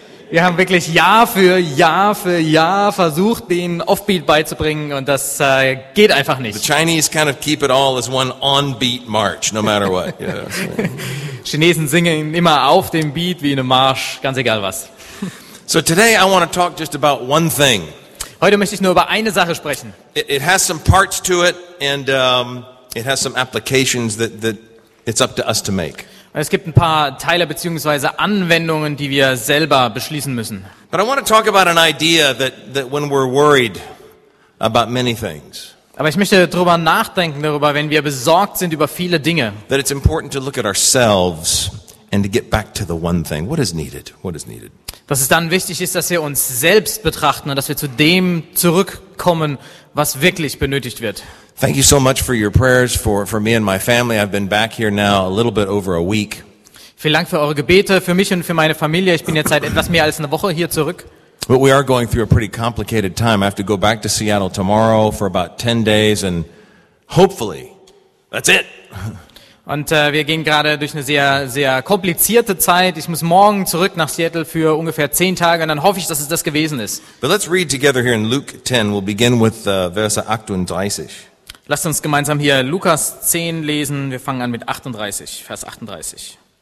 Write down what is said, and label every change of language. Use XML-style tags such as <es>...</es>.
<de>Wir haben wirklich Jahr für Jahr für Jahr versucht, den Offbeat beizubringen, und das geht einfach nicht.</de> <en>The Chinese kind of keep it all as one on-beat march, no matter what.</en> <de>Chinesen singen immer auf dem Beat wie in einem Marsch, ganz egal was.</de> <en>So today I want to talk just about one thing.</en> <de>Heute möchte ich nur über eine Sache sprechen.</de> <en>It has some parts to it, and it has some applications that it's up to us to make.</en> <de>Es gibt ein paar Teile bzw. Anwendungen, die wir selber beschließen müssen.</de> <en>But I want to talk about an idea that when we're worried about many things.</en> <de>Aber ich möchte drüber nachdenken, darüber, wenn wir besorgt sind über viele Dinge.</de> <en>That it's important to look at ourselves and to get back to the one thing. What is needed? What is needed?</en> <de>Dass es dann wichtig ist, dass wir uns selbst betrachten und dass wir zu dem zurückkommen, was wirklich benötigt wird.</de> <en>Thank you so much for your prayers for me and my family. I've been back here now a little bit over a week.</en> <de>Vielen Dank für eure Gebete für mich und für meine Familie. Ich bin jetzt seit etwas mehr als einer Woche hier zurück.</de> <en>But we are going through a pretty complicated time. I have to go back to Seattle tomorrow for about 10 days and hopefully that's it.</en> <de>Und wir gehen gerade durch eine sehr, sehr komplizierte Zeit. Ich muss morgen zurück nach Seattle für ungefähr 10 Tage und dann hoffe ich, dass es das gewesen ist.</de> <en>But let's read together here in Luke 10. We'll begin with verse 38.</en> <de>Lasst uns gemeinsam hier Lukas 10 lesen. Wir fangen an mit Vers 38.</de>